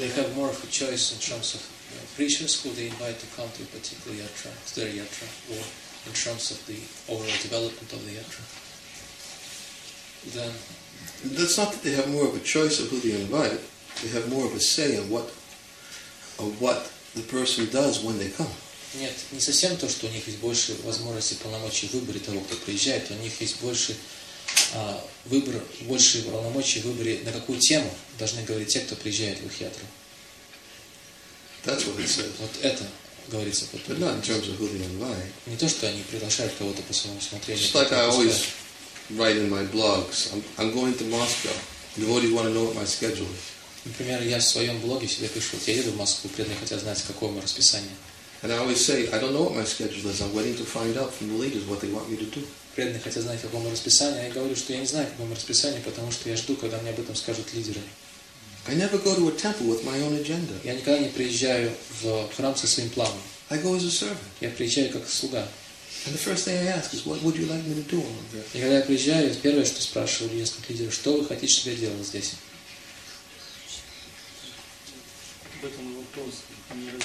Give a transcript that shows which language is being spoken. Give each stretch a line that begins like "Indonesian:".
English: They have more of a choice in terms of preachers who they invite to come to a particular yatra, their yatra, or in terms of the overall development of the yatra. Then that's not that they have more of a choice of who they invite. They have more of a say in what the person does when they come.
Russian: Нет, не совсем то, что у них есть больше возможностей полномочий в выборе того, кто приезжает. У них есть больше выбор, большие полномочия в выборе, на какую тему должны говорить те, кто приезжает в их ятру.
English: That's what it says.
Russian: Вот это говорится.
English: But not in terms of who they invite.
Russian: Не то, что они приглашают кого-то по своему усмотрению.
English: It's like I always write in my blogs. I'm going to Moscow. The devotees want to know what my schedule is.
Russian: Например, я в своем блоге себе пишу, вот я еду в Москву, преданные хотят знать, какое мое расписание.
English: And I always say, I don't know what my schedule is. I'm waiting to find out from the leaders what they want me to do.
Russian: Преданные хотят знать, какое мое расписание. Я говорю, что я не знаю, какое мое расписание, потому что я жду, когда мне об этом скажут лидеры.
English: I never go to a temple with my own agenda.
Russian: Я никогда не приезжаю в храм со своим планом.
English: I go as a servant.
Russian: Я приезжаю как слуга.
English: And the first thing I ask is, what would you like me to do on the earth?
Russian: И когда я приезжаю, первое, что спрашиваю местных лидеров, что вы хотите, чтобы я делал здесь? Об этом вопрос не развяжет